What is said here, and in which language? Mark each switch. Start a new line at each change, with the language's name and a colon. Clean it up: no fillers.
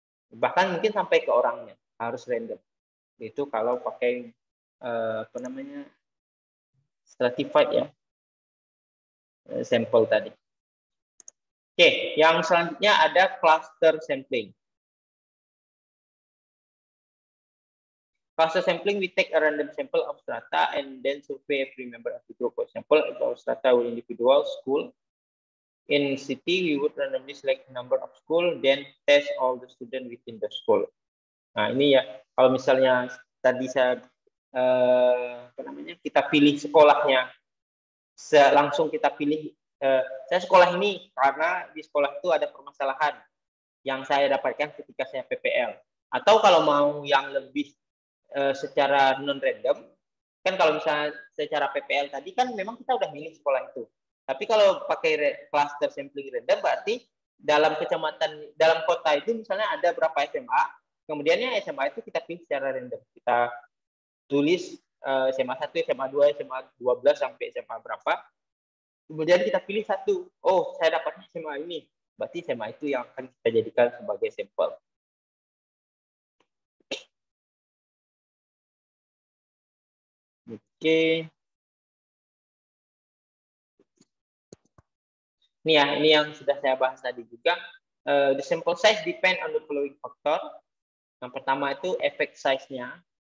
Indonesian: Bahkan mungkin sampai ke orangnya, harus random. Itu kalau pakai apa namanya stratified ya. Sampel tadi. Oke, yang selanjutnya ada cluster sampling.
English: Cluster sampling, we take a random sample of strata and then survey every member of the group. For example, if our strata were individual school in city, we would randomly select number of school, then test all the student within the school.
Indonesian: Nah, ini ya, kalau misalnya tadi saya apa namanya, kita pilih sekolahnya. Langsung kita pilih saya sekolah ini karena di sekolah itu ada permasalahan yang saya dapatkan ketika saya PPL. Atau kalau mau yang lebih secara non-random, kan kalau misalnya secara PPL tadi kan memang kita udah milih sekolah itu. Tapi kalau pakai cluster sampling random berarti dalam kecamatan, dalam kota itu misalnya ada berapa SMA, kemudiannya SMA itu kita pilih secara random. Kita tulis SMA 1, SMA 2, SMA 12, sampai SMA berapa. Kemudian kita pilih satu. Oh, saya dapatnya SMA ini. Berarti SMA itu yang akan kita jadikan sebagai sampel. Oke. Okay. Ini ya, ini yang sudah saya bahas tadi juga.
English: The sample size depend on the following factor.
Indonesian: Yang pertama itu efek size-nya.